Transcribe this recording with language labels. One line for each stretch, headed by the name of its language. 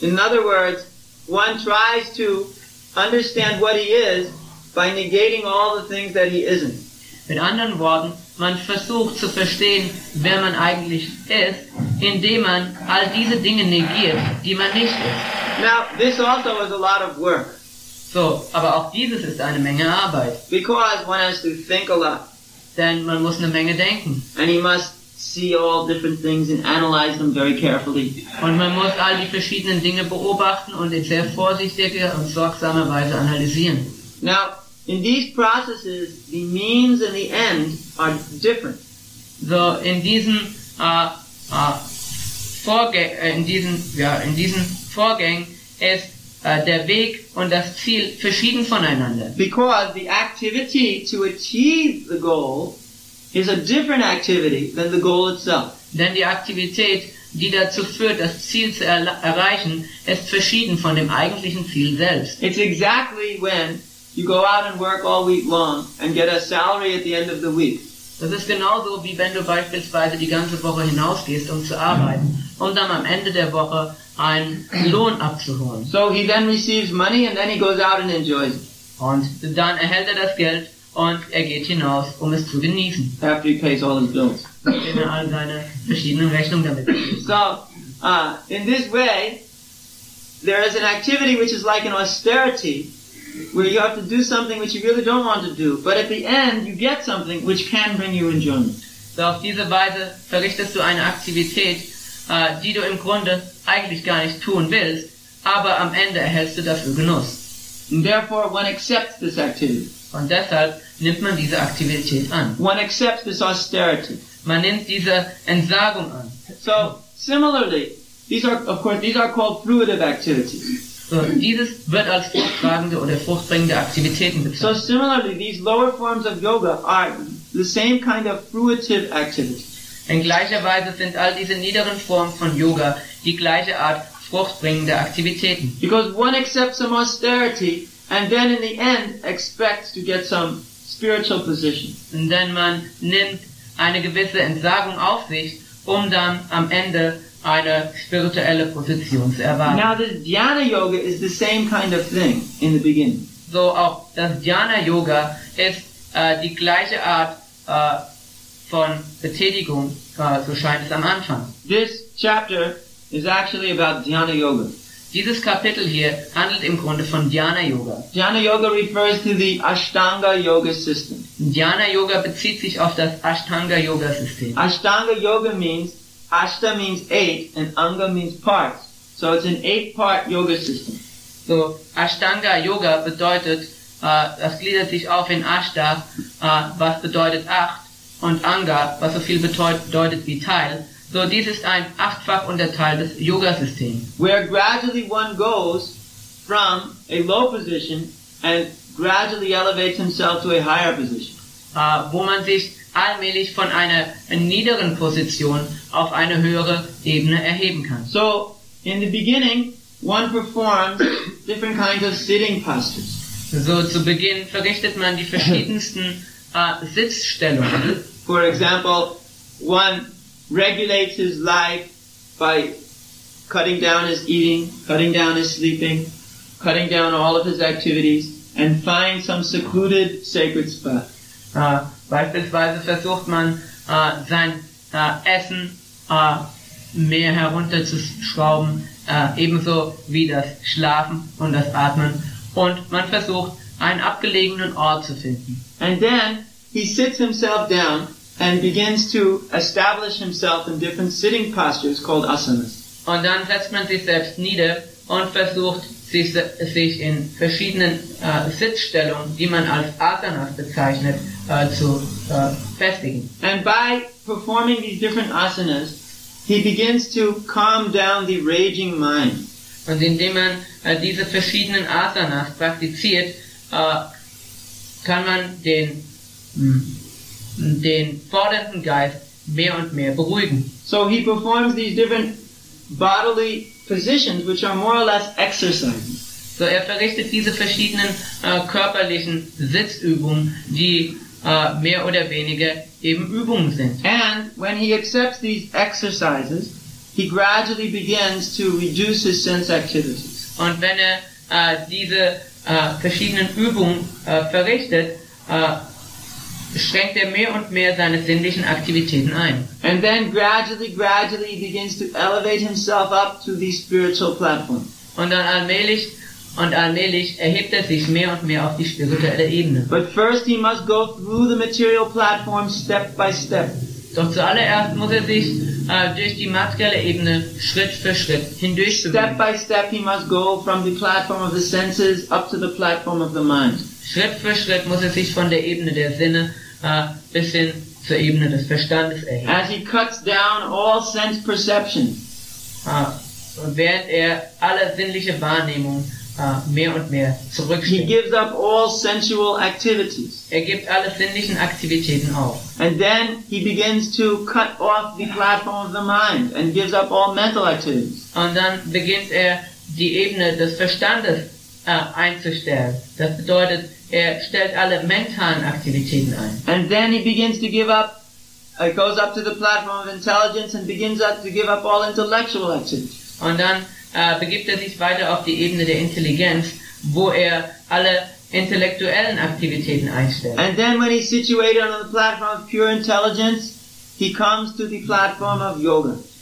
English: In other words, one tries to understand what he is by negating all the things that he isn't.
German: Mit anderen Worten, man versucht zu verstehen, wer man eigentlich ist, indem man all diese Dinge negiert, die man nicht ist.
English: Now, this also is a lot of work.
German: So, aber auch dieses ist eine Menge Arbeit.
English: Because one has to think a lot.
German: Denn man muss eine Menge denken.
English: And he must see all different things and analyze them very carefully.
German: Und man muss all die verschiedenen Dinge beobachten und in sehr vorsichtiger und sorgsamer Weise analysieren.
English: Now, in these processes, the means and the end are different.
German: So in diesen Vorgängen ist der Weg und das Ziel verschieden voneinander.
English: Because the activity to achieve the goal is a different activity than the goal itself.
German: Denn die Aktivität, die dazu führt, das Ziel zu erreichen, ist verschieden von dem eigentlichen Ziel selbst.
English: It's exactly when you go out and work all week long and get a salary at the end of the week.
German: Das ist genauso, wie wenn du beispielsweise die ganze Woche hinausgehst, um zu arbeiten, um dann am Ende der Woche einen Lohn abzuholen.
English: So he then receives money and then he goes out and enjoys it.
German: Und dann erhält das Geld und geht hinaus, es zu genießen.
English: After he pays all his bills.
German: All seine verschiedenen Rechnungen damit.
English: So, in this way, there is an activity which is like an austerity, where you have to do something which you really don't want to do, but at the end you get something which can bring you enjoyment.
German: So auf diese Weise verrichtest du eine Aktivität, die du im Grunde eigentlich gar nicht tun willst, aber am Ende erhältst du dafür Genuss.
English: And therefore one accepts this activity.
German: Und deshalb nimmt man diese Aktivität an.
English: One accepts this austerity.
German: Man nimmt diese Entsagung an.
English: So, similarly, these are called fruitive activities.
German: So, dieses wird als fruchttragende oder fruchtbringende Aktivitäten bezeichnet.
English: So similarly, these lower forms of yoga are the same kind of fruitive activity.
German: In gleicher Weise sind all diese niederen Formen von Yoga die gleiche Art fruchtbringende Aktivitäten.
English: Because one accepts some austerity and then in the end expects to get some spiritual position.
German: Und dann man nimmt eine gewisse Entsagung auf sich, dann am Ende eine spirituelle Position zu erwarten.
English: Now the Dhyana Yoga is the same kind of thing in the beginning.
German: So auch das Dhyana Yoga ist die gleiche Art von Betätigung, so scheint es am Anfang.
English: This chapter is actually about Dhyana Yoga.
German: Dieses Kapitel hier handelt im Grunde von Dhyana Yoga.
English: Dhyana Yoga refers to the Ashtanga Yoga system.
German: Dhyana Yoga bezieht sich auf das Ashtanga Yoga System.
English: Ashtanga Yoga means Ashta means eight and Anga means parts. So it's an eight-part yoga system.
German: So Ashtanga Yoga bedeutet, das gliedert sich auf in Ashta, was bedeutet acht, und Anga, was so viel bedeutet wie Teil. So dies ist ein achtfach Unterteil des Yoga Systems.
English: Where gradually one goes from a low position and gradually elevates himself to a higher position.
German: Wo man sich allmählich von einer niederen Position auf eine höhere Ebene erheben kann.
English: So, in the beginning, one performs different kinds of sitting postures.
German: So, zu Beginn verrichtet man die verschiedensten Sitzstellungen.
English: For example, one regulates his life by cutting down his eating, cutting down his sleeping, cutting down all of his activities, and finds some secluded sacred spot.
German: Beispielsweise versucht man sein Essen mehr herunterzuschrauben, ebenso wie das Schlafen und das Atmen, und man versucht einen abgelegenen Ort zu finden.
English: And then he sits himself down and begins to establish himself in different sitting postures called asanas.
German: Und dann setzt man sich selbst nieder und versucht sich in verschiedenen Sitzstellungen, die man als Asanas bezeichnet, zu festigen.
English: And by performing these different asanas, he begins to calm down the raging mind.
German: Und indem man diese verschiedenen Asanas praktiziert, kann man den fordernden Geist mehr und mehr beruhigen.
English: So he performs these different bodily positions, which are more or less exercises.
German: So er verrichtet diese verschiedenen körperlichen Sitzübungen, die mehr oder weniger eben Übungen sind.
English: And when he accepts these exercises, he gradually begins to reduce his sense activities.
German: Und wenn er diese verschiedenen Übungen verrichtet, schränkt er mehr und mehr seine sinnlichen Aktivitäten ein.
English: And then gradually begins to elevate himself up to the spiritual platform.
German: Und dann allmählich erhebt er sich mehr und mehr auf die spirituelle Ebene.
English: But first he must go through the material platform step by step.
German: Doch zuallererst muss er sich durch die materielle Ebene Schritt für Schritt hindurch bewegen.
English: Step by step he must go from the platform of the senses up to the platform of the mind.
German: Schritt für Schritt muss er sich von der Ebene der Sinne bis hin zur Ebene des Verstandes erheben.
English: As he cuts down all sense perception.
German: Während er alle sinnliche Wahrnehmung mehr und mehr zurückstellt.
English: He gives up all sensual activities.
German: Er gibt alle sinnlichen Aktivitäten auf.
English: And then he begins to cut off the platform of the mind and gives up all mental activities.
German: Und dann beginnt er die Ebene des Verstandes einzustellen. Das bedeutet, er stellt alle mentalen Aktivitäten ein.
English: And then he begins to give up, it goes up to the platform of intelligence and begins to give up all intellectual activities.
German: Und dann begibt er sich weiter auf die Ebene der Intelligenz, wo er alle intellektuellen Aktivitäten einstellt.
English: And then when he's situated on the platform of pure intelligence, he comes to the platform of yoga.